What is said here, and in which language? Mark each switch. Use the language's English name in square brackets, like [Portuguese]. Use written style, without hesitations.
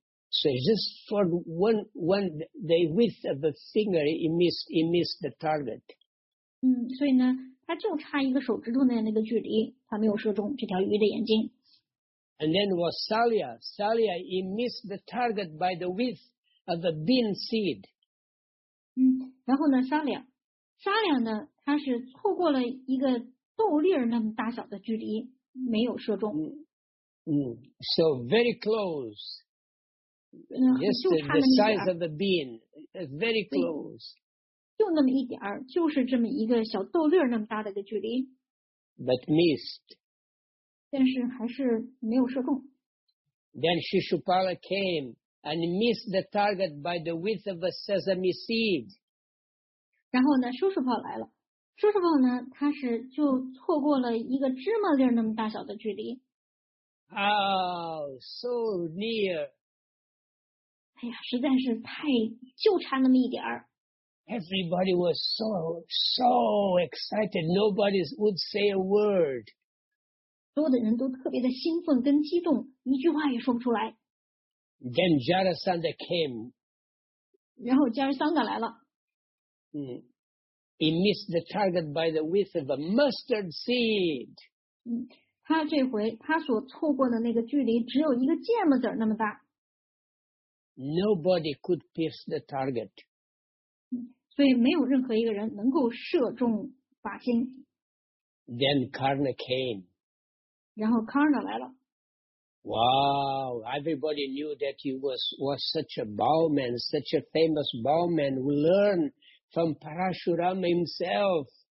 [English] So just for one the width of a finger, he missed the target. [Chinese] 所以呢，他就差一个手指头的那个距离，他没有射中这条鱼的眼睛。 [English] And then was Salya, he missed the target by the width of a bean seed. [Chinese] 然后呢，Salya呢，他是错过了一个豆粒那么大小的距离，没有射中。 [English] So very close. Just the size of the bean, very close. [Chinese] 就那么一点儿，就是这么一个小豆粒那么大的一个距离。 [English] But missed. [Chinese] 但是还是没有射中。 [English] Then Shishupala came and missed the target by the width of a sesame seed. [Chinese] 然后呢，Shishupala来了。Shishupala呢，他是就错过了一个芝麻粒那么大小的距离。 [English] Oh, so near. [Chinese] 哎呀，实在是太，就差那么一点儿。 [English] Everybody was so excited. Nobody would say a word. [Chinese] 所有的人都特别的兴奋跟激动，一句话也说不出来。 [English] Then Jarasandha came. [Chinese] 然后Jarasandha来了。 [English] He missed the target by the width of a mustard seed. [Chinese] 他这回他所错过的那个距离只有一个芥末籽那么大。 [English] Nobody could pierce the target. [Chinese] 所以没有任何一个人能够射中靶心。 [English] Then Karna came. [Chinese] 然后 Karna 来了。 [English] Wow, everybody knew that he was such a bowman, such a famous bowman who learned from Parashurama himself.